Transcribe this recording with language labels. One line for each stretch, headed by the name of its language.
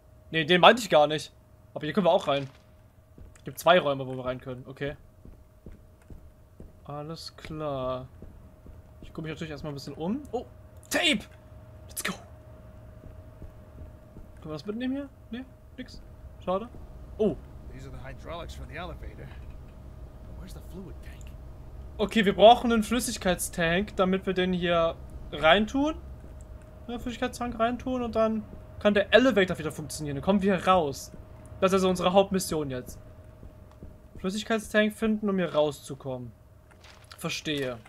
German: Ne, den meinte ich gar nicht. Aber hier können wir auch rein. Es gibt zwei Räume, wo wir rein können. Okay. Alles klar. Ich gucke mich natürlich erstmal ein bisschen um. Oh, Tape!
English: Let's go!
German: Können wir das mitnehmen hier? Ne, nix. Schade. Oh.
English: These are the hydraulics for the elevator. Where's the fluid tank?
German: Okay, wir brauchen einen Flüssigkeitstank, damit wir den hier reintun. Flüssigkeitstank reintun und dann kann der Elevator wieder funktionieren. Dann kommen wir raus. Das ist also unsere Hauptmission jetzt. Flüssigkeitstank finden, um hier rauszukommen. Verstehe.